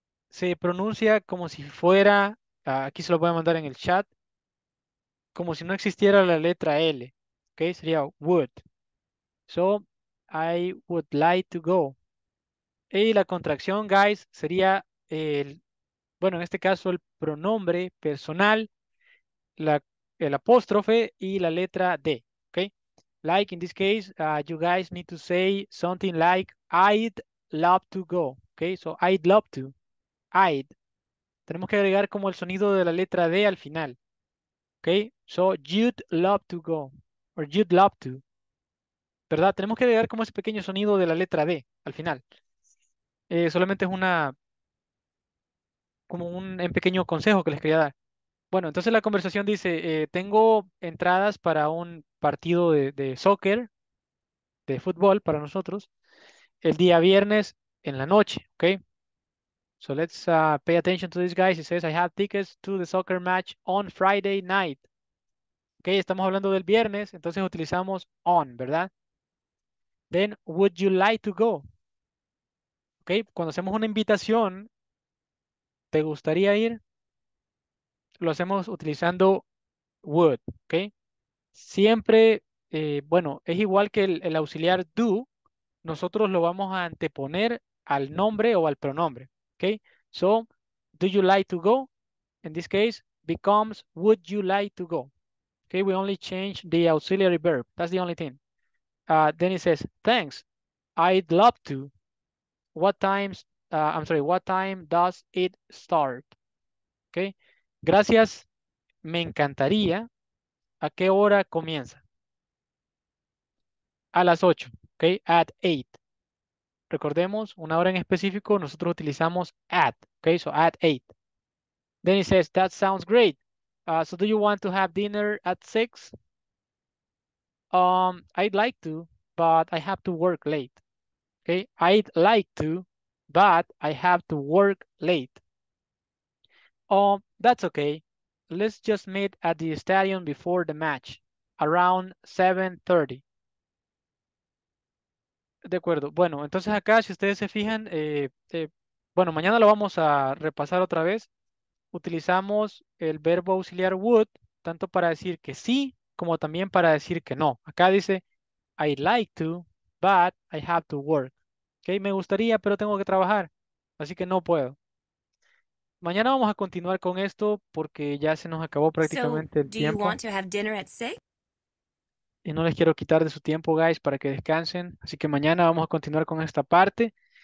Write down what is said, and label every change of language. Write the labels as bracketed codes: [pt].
[es] Se pronuncia como si fuera, aquí se lo voy a mandar en el chat, como si no existiera la letra L, ¿ok? Sería would. [en] So, I would like to go. [es] Y la contracción, guys, sería el, bueno, en este caso el pronombre personal, el apóstrofe y la letra D, ¿ok? [en] Like, in this case, you guys need to say something like, I'd love to go, ¿ok? So, I'd love to. I'd. [es] Tenemos que agregar como el sonido de la letra D al final. [en] ¿Ok? So, you'd love to go. Or you'd love to. ¿Verdad? [es] Tenemos que agregar como ese pequeño sonido de la letra D al final. Solamente es una... como un pequeño consejo que les quería dar. Bueno, entonces la conversación dice, tengo entradas para un partido de soccer, de fútbol para nosotros, el día viernes en la noche. ¿Ok? [en] So let's pay attention to this, guys. It says, I have tickets to the soccer match on Friday night. [es] Ok, estamos hablando del viernes, entonces utilizamos on, ¿verdad? [en] Then, would you like to go? [es] Ok, cuando hacemos una invitación, ¿te gustaría ir? Lo hacemos utilizando would, ¿ok? Siempre, bueno, es igual que el auxiliar do, nosotros lo vamos a anteponer al nombre o al pronombre. [en] Okay, so, do you like to go? In this case, becomes, would you like to go? Okay, we only change the auxiliary verb. That's the only thing. Then it says, thanks, I'd love to. What time does it start? [es] Okay, gracias, me encantaría. ¿A qué hora comienza? A las 8, okay, at 8. Recordemos, una hora en específico, nosotros utilizamos at, okay, so at 8. [en] Then he says, that sounds great. So do you want to have dinner at 6? I'd like to, but I have to work late. Okay, I'd like to, but I have to work late. That's okay. Let's just meet at the stadium before the match, around 7:30. [es] De acuerdo. Bueno, entonces acá, si ustedes se fijan, bueno, mañana lo vamos a repasar otra vez. Utilizamos el verbo auxiliar would, tanto para decir que sí, como también para decir que no. Acá dice, [en] I'd like to, but I have to work. [es] Okay, me gustaría, pero tengo que trabajar, así que no puedo. Mañana vamos a continuar con esto, porque ya se nos acabó prácticamente el tiempo. [en] Do you want to have dinner at 6? [es] Y no les quiero quitar de su tiempo, guys, para que descansen. Así que mañana vamos a continuar con esta parte.